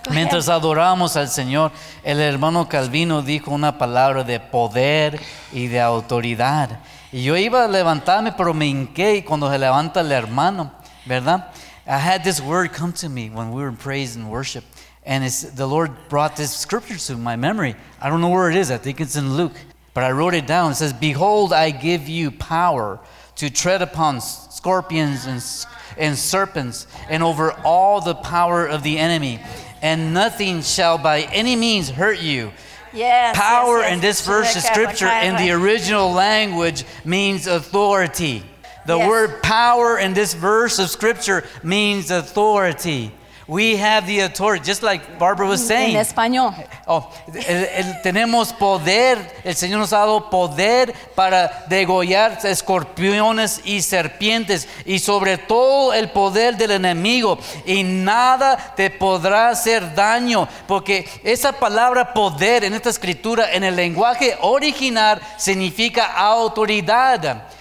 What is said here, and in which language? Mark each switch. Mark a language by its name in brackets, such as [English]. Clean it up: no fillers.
[Spanish] Mientras adoramos al Señor, el hermano Calvino dijo una palabra de poder y de autoridad. Y yo iba a levantarme, pero me hinqué cuando se levanta el hermano, ¿verdad? [English] I had this word come to me when we were in praise and worship. And it's, the Lord brought this scripture to my memory. I don't know where it is. I think it's in Luke. But I wrote it down. It says, behold, I give you power to tread upon scorpions and serpents and over all the power of the enemy. And nothing shall by any means hurt you. Yes, power yes, yes. In this verse of scripture in the original language means authority. The yes. Word power in this verse of scripture means authority. We have the authority, just like Barbara was saying. [Spanish] En español. Oh, tenemos poder. El Señor nos ha dado poder para degollar escorpiones y serpientes y sobre todo el poder del enemigo. Y nada te podrá hacer daño. Porque esa palabra poder en esta escritura, en el lenguaje original, significa autoridad.